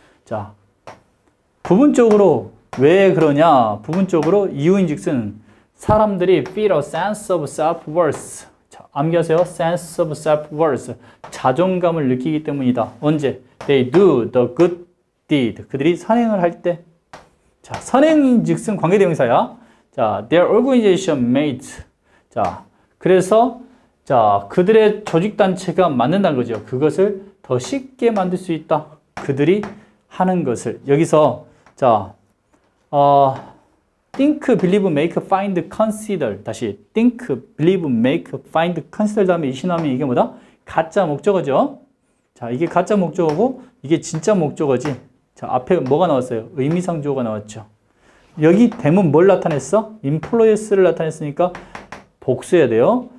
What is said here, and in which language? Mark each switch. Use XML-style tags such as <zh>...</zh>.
<ko>자, 부분적으로 왜 그러냐? 부분적으로 이유인즉슨 사람들이</ko> <en>feel a sense of self-worth.</en> <ko>자, 암기하세요. sense of self-worth. 자존감을 느끼기 때문이다. 언제?</ko> <en>They do the good deed.</en> <ko>그들이 선행을 할 때. 자, 선행인즉슨 관계대명사야. 자, their organization mates. 자, 그래서 자, 그들의 조직단체가 만든다는 거죠. 그것을 더 쉽게 만들 수 있다. 그들이 하는 것을. 여기서 자, think, believe, make, find, consider. 다시 think, believe, make, find, consider 다음에 이신하면 이게 뭐다? 가짜 목적어죠. 자, 이게 가짜 목적어고 이게 진짜 목적어지. 자, 앞에 뭐가 나왔어요? 의미상 주어가 나왔죠. 여기 대문 뭘 나타냈어? employees를 나타냈으니까 복수해야 돼요.</ko>